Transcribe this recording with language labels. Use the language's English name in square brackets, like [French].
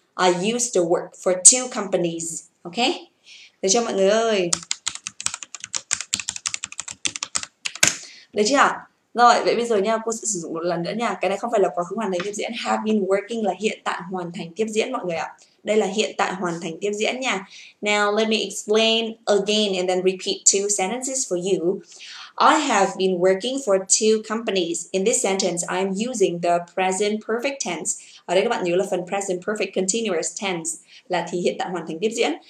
[English] I used to work for two companies. Ok? [Vietnamese] Để cho mọi người ơi. Được chưa ạ? Rồi, vậy bây giờ nha, cô sẽ sử dụng một lần nữa nha. Cái này không phải là quá khứ hoàn thành tiếp diễn. [English] Have been working [Vietnamese] là hiện tại hoàn thành tiếp diễn mọi người ạ. Đây là hiện tại hoàn thành tiếp diễn nha. [English] Now let me explain again and then repeat two sentences for you. I have been working for two companies. In this sentence, I'm using the present perfect tense. [Vietnamese] Ở đây các bạn nhớ là phần present perfect continuous tense là thì hiện tại hoàn thành tiếp diễn.